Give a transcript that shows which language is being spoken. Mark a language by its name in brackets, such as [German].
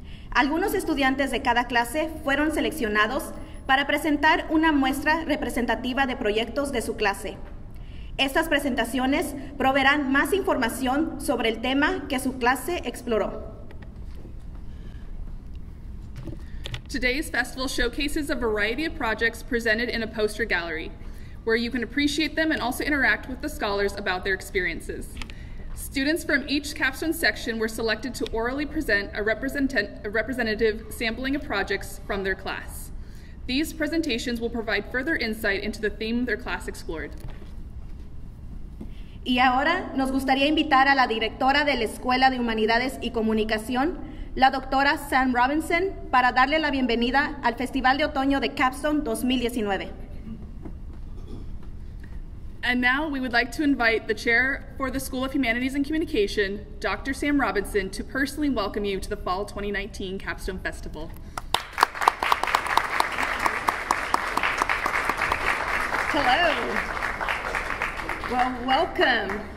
[Spanish] Algunos estudiantes de cada clase fueron seleccionados para presentar una muestra representativa de proyectos de su clase. Estas presentaciones proveerán más información sobre el tema que su clase exploró. [English] Today's festival showcases a variety of projects presented in a poster gallery, where you can appreciate them and also interact with the scholars about their experiences. Students from each capstone section were selected to orally present a representative sampling of projects from their class. These presentations will provide further insight into the theme their class explored. [Spanish] Y ahora nos gustaría invitar a la directora de la Escuela de Humanidades y Comunicación, la doctora Sam Robinson, para darle la bienvenida al Festival de Otoño de Capstone 2019. [English] And now we would like to invite the chair for the School of Humanities and Communication, Dr. Sam Robinson, to personally welcome you to the Fall 2019 Capstone Festival. Hello. Well, welcome.